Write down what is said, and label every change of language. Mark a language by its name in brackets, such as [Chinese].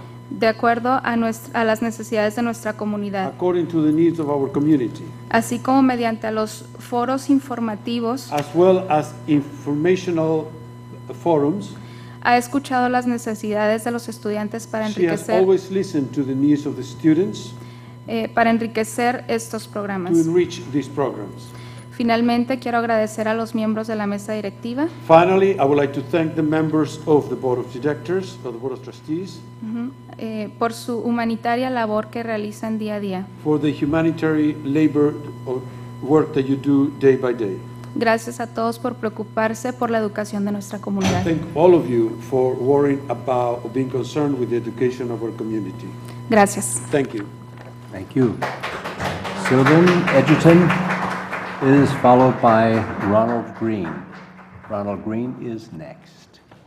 [Spanish] de acuerdo a, nuestra, a las necesidades de nuestra comunidad, [English] according to the needs of our community, [Spanish] así como mediante los foros informativos, [English] as well as informational forums, [Spanish] ha escuchado las necesidades de los estudiantes para enriquecer, [English] she has always listened to the needs of the students, [Spanish] para enriquecer estos programas, [English] to enrich these programs. [Spanish] Finalmente, quiero agradecer a los miembros de la mesa directiva. [English] Finally, I would like to thank the members of the Board of Directors, of the Board of Trustees, [Spanish] por su humanitaria labor que realizan día a día. [English] For the humanitarian labor or work that you do day by day. [Spanish] Gracias a todos por preocuparse por la educación de nuestra comunidad. [English] I thank all of you for worrying about or being concerned with the education of our community. [Spanish] Gracias. [English] Thank you. Thank you. Sylvan Edgerton is followed by Ronald Green. Ronald Green is next.